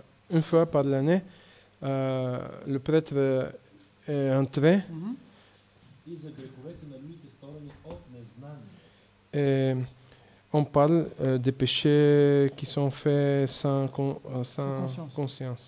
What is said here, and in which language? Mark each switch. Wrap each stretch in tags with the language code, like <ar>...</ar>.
<fr>une fois par l'année, le prêtre est entré.</fr> <bg>И за греховете на людите сторени от незнание.</bg> <fr>On parle des péchés qui sont faits sans conscience.</fr>